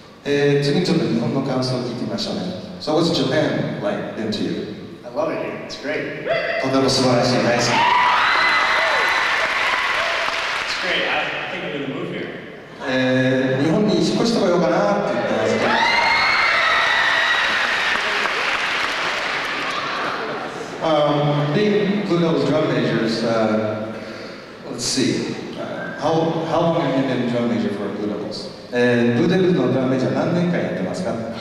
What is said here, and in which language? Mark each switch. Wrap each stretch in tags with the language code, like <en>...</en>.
<ja>次にちょっと日本の感想を聞いてみましょうね。</ja> <en>So what's Japan like been to you? I love it here. It's great.</en> <ja>とても素晴らしい。</ja> <en>It's great. I think I'm gonna move here.</en> <ja>日本に引っ越してこようかなって言ってますけど。</ja> <en>being Blue Devils drum majors, let's see. How long have you been drum major for Blue Devils?</en> <ja>Blue Devils のドラムメジャー何年間やってますか？</ja>